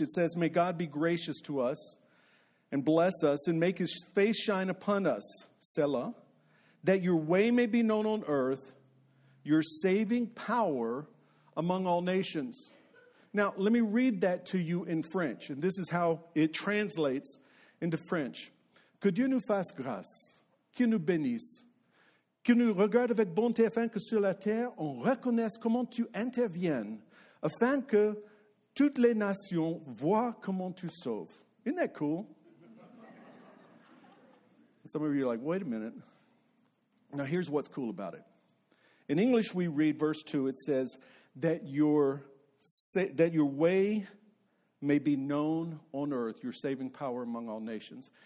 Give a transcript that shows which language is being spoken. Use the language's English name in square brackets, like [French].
[English] It says, "May God be gracious to us and bless us and make His face shine upon us, Selah, that Your way may be known on earth, Your saving power among all nations." Now, let me read that to you in French. And this is how it translates into French. [French] Que Dieu nous fasse grâce, qu'il nous bénisse, qu'il nous regarde avec bonté afin que sur la terre on reconnaisse comment tu interviennes, afin que toutes les nations voient comment tu sauves. [English] Isn't that cool? Some of you are like, wait a minute. Now, here's what's cool about it. In English, we read verse 2. It says that your way may be known on earth, your saving power among all nations.